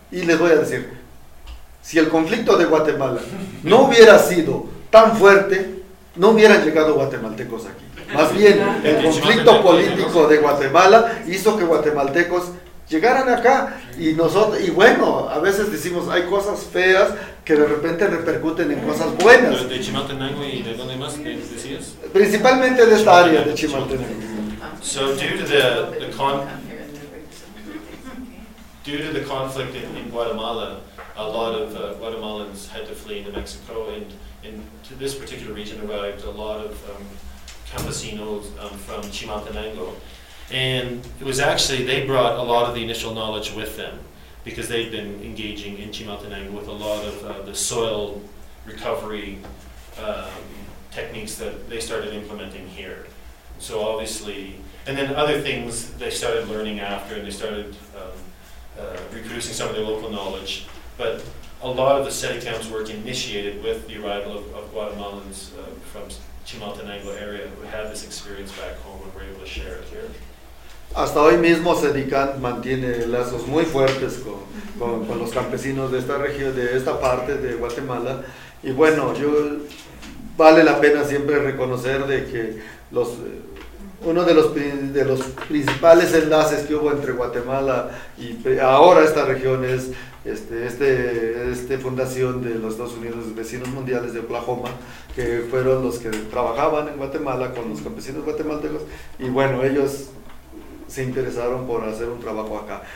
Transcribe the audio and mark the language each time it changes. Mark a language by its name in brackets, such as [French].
[Spanish] Y les voy a decir, si el conflicto de Guatemala no hubiera sido tan fuerte, no hubieran llegado guatemaltecos aquí. Más bien, el conflicto político de Guatemala hizo que guatemaltecos llegaran acá. Y nosotros, y bueno, a veces decimos, hay cosas feas que de repente repercuten en cosas buenas. ¿De Chimaltenango y de dónde más decías? Principalmente de esta área de Chimaltenango. [English] So due to the conflict in Guatemala, a lot of Guatemalans had to flee into Mexico, and into this particular region arrived a lot of campesinos from Chimaltenango, and it was actually they brought a lot of the initial knowledge with them because they'd been engaging in Chimaltenango with a lot of the soil recovery techniques that they started implementing here. So obviously. And then other things they started learning after, and they started reproducing some of their local knowledge. But a lot of the Sedicam's work initiated with the arrival of Guatemalans from Chimaltenango area who had this experience back home and were able to share it here. [Spanish] Hasta hoy mismo Sedicam mantiene lazos muy fuertes con los campesinos de esta región, de esta parte de Guatemala. Y bueno, yo vale la pena siempre reconocer de que los uno de los principales enlaces que hubo entre Guatemala y ahora esta región es esta fundación de los Estados Unidos Vecinos Mundiales de Oklahoma, que fueron los que trabajaban en Guatemala con los campesinos guatemaltecos, y bueno, ellos se interesaron por hacer un trabajo acá.